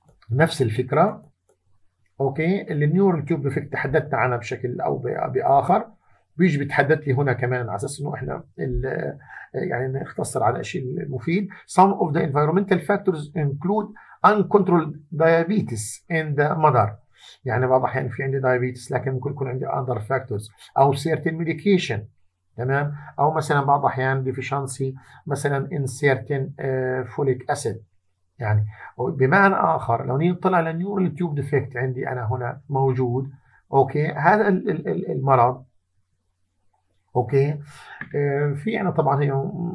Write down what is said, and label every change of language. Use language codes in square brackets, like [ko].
[ar] نفس الفكرة، أوكي، اللي النيورال تيوب ديفكت تحدثنا عنها بشكل أو بآخر، بيجي بتحدث لي هنا كمان على أساس إنه إحنا يعني نختصر على الشيء المفيد. [en] Some of the environmental factors include uncontrolled diabetes in the mother. [ar] يعني بعض الأحيان في عندي diabetes لكن ممكن يكون عندي [en] other factors [ar] أو [en] certain medication، [ar] تمام؟ او مثلا بعض احيان ديفيشنسي مثلا ان سيرتين فوليك اسيد. يعني بمعنى اخر لو نطلع على النيورال تيوب ديفكت عندي انا هنا موجود، اوكي، هذا المرض، اوكي، في عندنا طبعا هي